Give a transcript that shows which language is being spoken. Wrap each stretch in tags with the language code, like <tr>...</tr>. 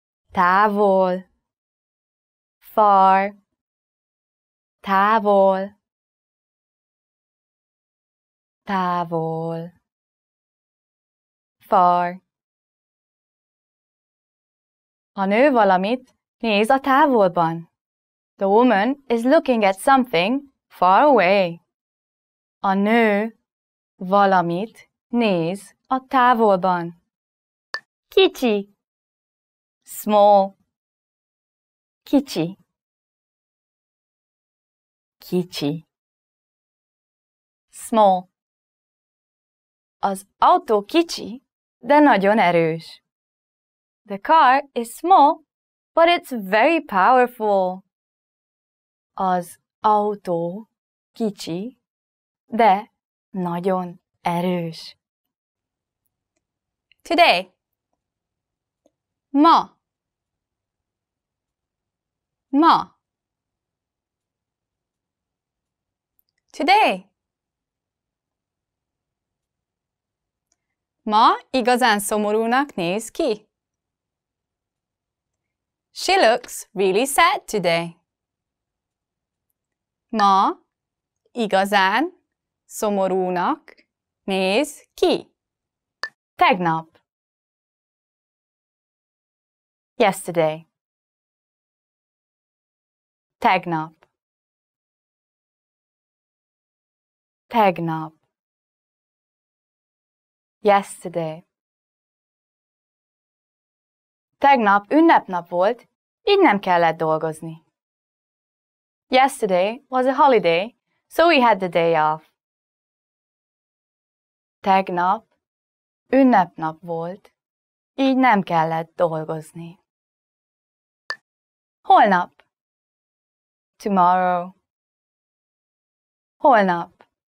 <hu>Távol. Far. Távol. Távol. Far. A nő valamit néz a távolban.</hu> <en>The woman is looking at something far away.</en> <hu>A nő valamit néz a távolban. Kicsi. Small. Kicsi. Kicsi. Small. Az autó kicsi, de nagyon erős.</hu> <en>The car is small, but it's very powerful.</en> <hu>Az autó kicsi, de nagyon erős.</hu> <en>Today. Ma.</en> <hu>Ma.</hu> <en>Today.</en> <hu>Ma igazán szomorúnak néz ki.</hu> <en>She looks really sad today.</en> <hu>Ma igazán szomorúnak néz ki. Tegnap.</hu> <en>Yesterday.</en> <hu>Tegnap. Tegnap.</hu> <en>Yesterday.</en> <hu>Tegnap ünnepnap volt, így nem kellett dolgozni.</hu> <en>Yesterday was a holiday, so we had the day off.</en> <hu>Tegnap ünnepnap volt, így nem kellett dolgozni. Holnap. Tomorrow. Holnap.</hu>